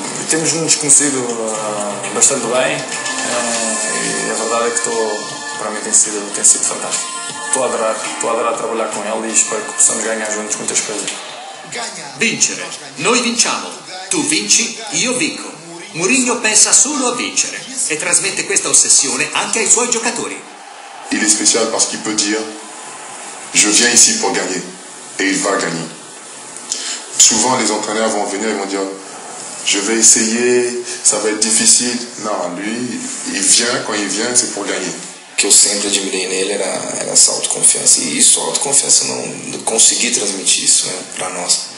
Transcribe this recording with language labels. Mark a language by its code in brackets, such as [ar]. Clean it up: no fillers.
[pt] Temos-nos conhecido bastante bem e a verdade é que para mim tem sido fantástico. Estou a adorar trabalhar com ele e espero que possamos ganhar juntos muitas coisas. [it] Vincere. Noi vinciamo. Tu vinci, io vinco. Mourinho pensa solo a vincere e trasmette questa ossessione anche ai suoi giocatori. [fr] Il [it] è speciale perché può dire: [fr] je viens ici pour gagner e il va gagner. Souvent les entraîneurs vont venir et vont dire: je vais essayer, ça va être difficile. Non, lui, il vient, quando il vient, c'est pour gagner. [pt] Que eu sempre admirei nele era essa autoconfiança. E isso, a autoconfiança, não consegui transmitir isso, né, para nós.